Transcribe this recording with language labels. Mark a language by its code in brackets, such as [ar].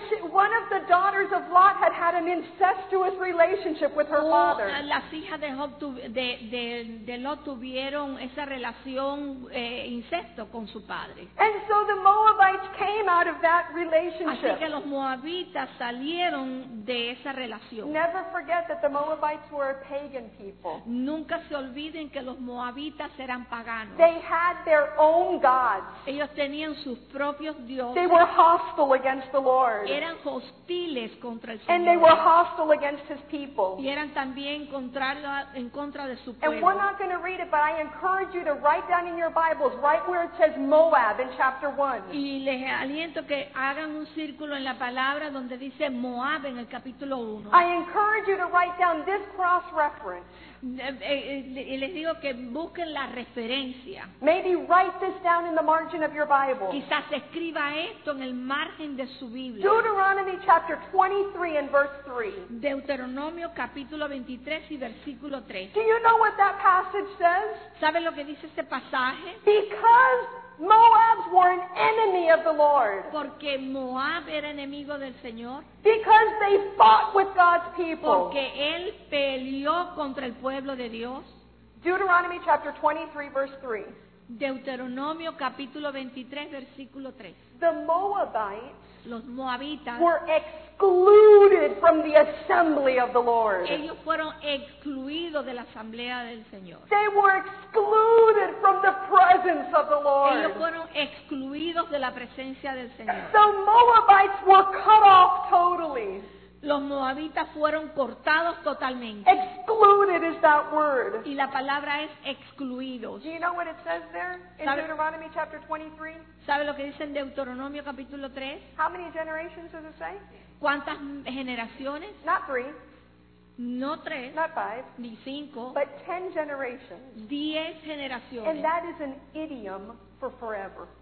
[en] One of the daughters of Lot had an incestuous relationship with her father. [es] Las hijas de Lot tuvieron esa relación incesto con su padre. [en] And so the Moabites came out of that relationship. [es] Así que los moabitas salieron de esa relación. [en] Never forget that the Moabites were a pagan people. [es] Nunca se olviden que los moabitas eran paganos. [en] They had their own gods. [es] Ellos tenían sus propios dioses. [en] They were hostile against the Lord. [es] Eran hostiles contra el Señor. [en] And they were hostile against his people. [es] Y eran también contrario en contra de su pueblo. [en] And we're not going to read it, but I encourage you to write down in your Bibles right where it says Moab in chapter 1. [es] Y les aliento que hagan un círculo en la palabra donde dice Moab en el capítulo 1. [en] I encourage you to write down this cross reference. [es] Y les digo que busquen la referencia. [en] Maybe write this down in the margin of your Bible. [es] Quizás escriba esto en el margen de su Biblia. [en] Deuteronomy chapter 23 and verse 3. [es] Deuteronomio capítulo 23 y versículo 3. [en] Do you know what that passage says? [es] ¿Saben lo que dice este pasaje? [en] Because Moab were an enemy of the Lord. [es] Porque Moab era enemigo del Señor. [en] Because they fought with God's people. [es] Porque él peleó contra el pueblo de Dios. [en] Deuteronomy chapter 23 verse 3. [es] Deuteronomio capítulo 23 versículo 3. [en] The Moabites, [es] los Moabitas, [en] were excluded from the assembly of the Lord. [es] Ellos fueron excluidos de la asamblea del Señor. [en] They were excluded from the presence of the Lord. [es] Ellos fueron excluidos de la presencia del Señor. [en] The Moabites were cut off totally. [es] Los Moabitas fueron cortados totalmente. [en] Excluded is that word. [es] Y la palabra es excluidos. [en] Do you know what it says there in Deuteronomy chapter 23? [es] ¿Sabe lo que dice en Deuteronomio capítulo 3? [en] How many generations does it say? [es] ¿Cuántas generaciones? [en] Not three. [es] No tres. [en] Not five. [es] Ni cinco. [en] But 10 generations. [es] 10 generaciones. [en] And that is an idiom for forever.